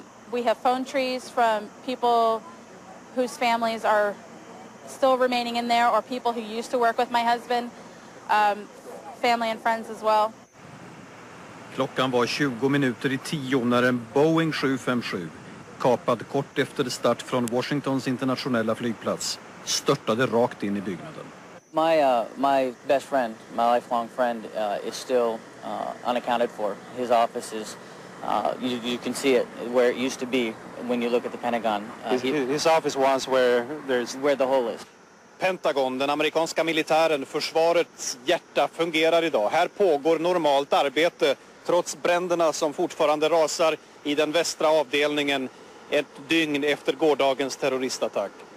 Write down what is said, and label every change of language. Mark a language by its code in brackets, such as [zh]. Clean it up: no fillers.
[en] We have phone trees from people whose families are still remaining in there, or people who used to work with my husband, family and friends as well. [sv] Klockan var 20 minuter i 10 när en Boeing 757, kapad kort efter start från Washingtons internationella flygplats, störtade rakt in i byggnaden. [en] My best friend, my lifelong friend, is still unaccounted for. His office is, you can see it where it used to be when you look at the Pentagon. His office was where the hole is. [sv] Pentagon, den amerikanska militären, försvarets hjärta, fungerar idag. Här pågår normalt arbete trots bränderna som fortfarande rasar i den västra avdelningen ett dygn efter gårdagens terroristattack.